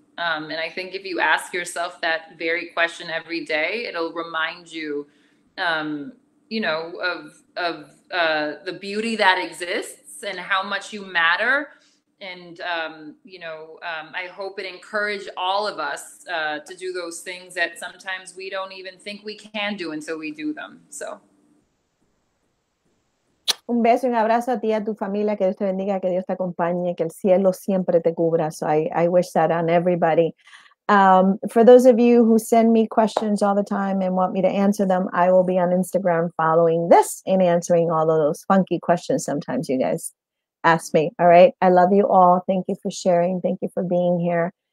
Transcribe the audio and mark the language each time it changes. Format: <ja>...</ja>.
<en>And I think if you ask yourself that very question every day, it'll remind you, you know, of the beauty that exists and how much you matter. And, you know, I hope it encouraged all of us to do those things that sometimes we don't even think we can do until we do them. So.</en> <es>Un beso y un abrazo a ti y a tu familia. Que Dios te bendiga, que Dios te acompañe, que el cielo siempre te cubra.</es> <en>So I wish that on everybody. For those of you who send me questions all the time and want me to answer them, I will be on Instagram following this and answering all of those funky questions sometimes you guys ask me. All right. I love you all. Thank you for sharing. Thank you for being here.</en>